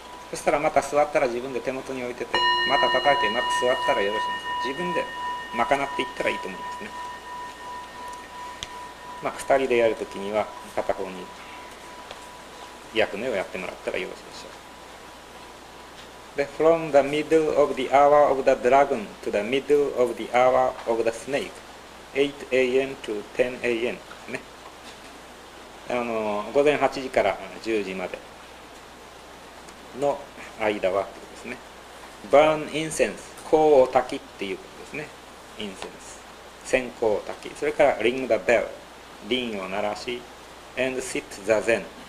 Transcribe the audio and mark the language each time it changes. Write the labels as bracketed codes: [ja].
[ja] そしたらまた座ったら自分で手元に置いててまた叩いてまた座ったらよろしいんです。自分で賄っていったらいいと思いますね。まあ2人でやるときには片方に役目をやってもらったらよろしいでしょう。 [en] で、from the middle of the hour of the dragon to the middle of the hour of the snake, 8 a.m. to 10 a.m. ね。 [ja] 午前8時から10時までの間はってことですね。 [en] burn incense, [ja] 香を焚きっていうことですね。incense, 線香を焚き。それから [en] ring the bell, [ja] リンを鳴らし、 [en] and sit the zen.